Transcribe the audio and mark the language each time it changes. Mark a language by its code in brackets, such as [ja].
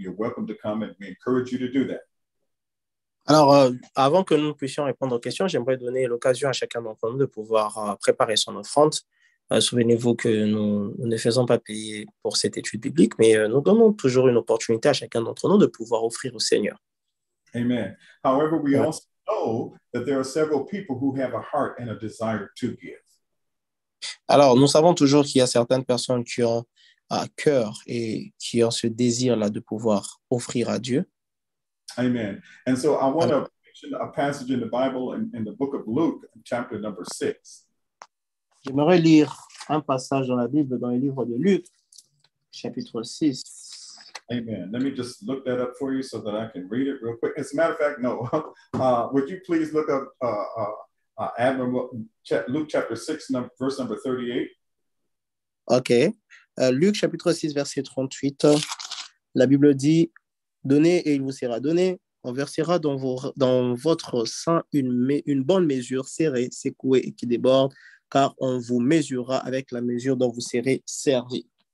[en] You're welcome to come and we encourage you to do that. [fr] Alors, avant que nous puissions répondre aux questions, j'aimerais donner l'occasion à chacun d'entre nous de pouvoir préparer son offrande. Souvenez-vous que nous ne faisons pas payer pour cette étude biblique, mais nous donnons toujours une opportunité à chacun d'entre nous de pouvoir offrir au Seigneur. Amen. [en] However, we also know that there are several people who have a heart and a desire to give. [fr] Alors, nous savons toujours qu'il y a certaines personnes qui ont à cœur et qui ont ce désir là de pouvoir offrir à Dieu. Amen. [en] And so I want to mention a passage in the Bible in the book of Luke, chapter number 6. [fr] J'aimerais lire un passage dans la Bible dans le livre de Luc, chapitre 6. Amen. [en] Let me just look that up for you so that I can read it real quick. As a matter of fact, no. Would you please look up Luke chapter 6, verse number 38? [fr] OK. Luc, chapitre 6, verset 38. La Bible dit, donnez et il vous sera donné. On versera dans votre sein une bonne mesure serrée, secouée et qui déborde, car on vous mesurera avec la mesure dont vous serez servi.